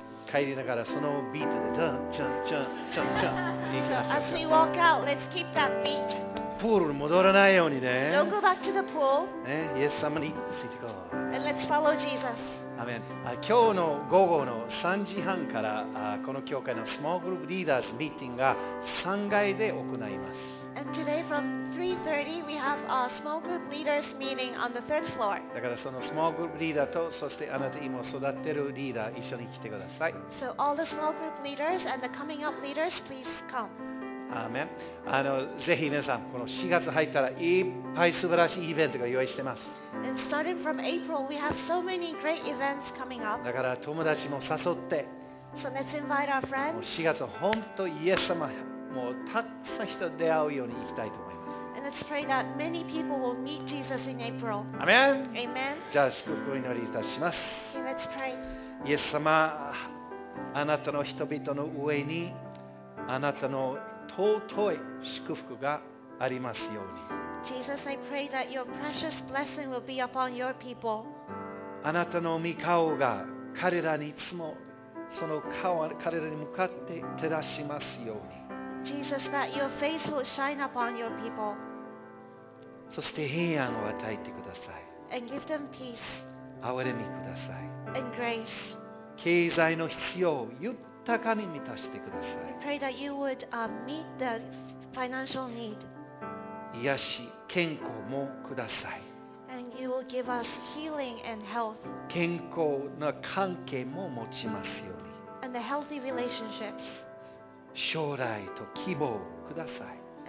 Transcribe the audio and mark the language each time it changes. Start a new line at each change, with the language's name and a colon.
Japanese: 帰りながらそのビートでダンチャンチャンチャンチャン。
English: As we walk out, let's keep that beat.
Japanese: プールに戻らないようにね。
English: Don't go back to the pool.
Japanese: ね、イエス様についていこう。
English: And let's follow Jesus.
Japanese: アメン。今日の午後の3時半からこの教会のスモールグループリーダーズミーティングが3階で行います。
English: And today from 3:30 we have a small group leaders meeting on the third floor.
Japanese: だからそのスモールグループリーダーとそしてあなた今育ってるリーダー一緒に来てください。
English: So all the small group leaders and the coming up leaders, please come.
Japanese: アーメン。ぜひ皆さんこの4月入ったらいっぱい素晴らしいイベントが用意してます。
English: And starting from April, we have so many great events coming up.
Japanese: だから友達も誘って。
English: So let's invite our friends.
Japanese: 4月本当イエス様。もうたくさん人と出会うように行きたいと思います。
English: And let's pray that many people will meet Jesus in April. Amen. Amen.
Japanese: じゃあ祝福を祈りいたします。
English: Okay, let's pray.
Japanese: イエス様、あなたの人々の上にあなたの尊い祝福がありますように。
English: Jesus, I pray that your precious blessing will be upon your people.
Japanese: あなたの御顔が彼らにいつもその顔を彼らに向かって照らしますように。
English: Jesus, that your face will shine upon your people.
Japanese: そして平安を与えてください。
English: And give them peace.
Japanese: 憐れみください。
English: And grace.
Japanese: 経済の必要を豊かに満たしてください。
English: We pray that you would meet the financial need.
Japanese: 癒し、健康もください。
English: And you will give us healing and health.
Japanese: 健康な関係も持ちますように。
English: And the healthy relationships.
Japanese: 将来と希望をください。